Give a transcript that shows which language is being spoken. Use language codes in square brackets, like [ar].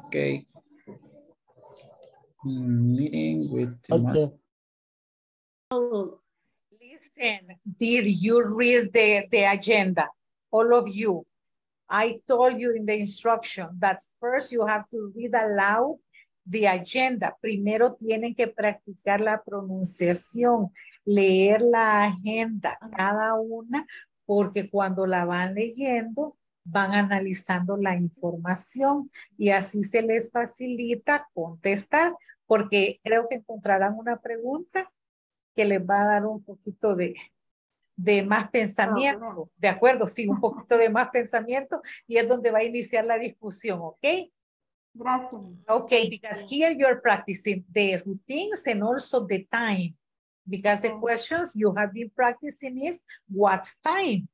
[en] Okay. Meeting with... Okay. Listen, did you read the agenda, all of you? I told you in the instruction that first you have to read aloud the agenda. [es] Primero tienen que practicar la pronunciación, leer la agenda, cada una, porque cuando la van leyendo, van analizando la información y así se les facilita contestar, porque creo que encontrarán una pregunta que les va a dar un poquito de más pensamiento, no. ¿De acuerdo? Sí, un poquito de más pensamiento y es donde va a iniciar la discusión, ¿ok? Gracias. [en] Okay, because here you're practicing the routines and also the time. Because the questions you have been practicing is what time?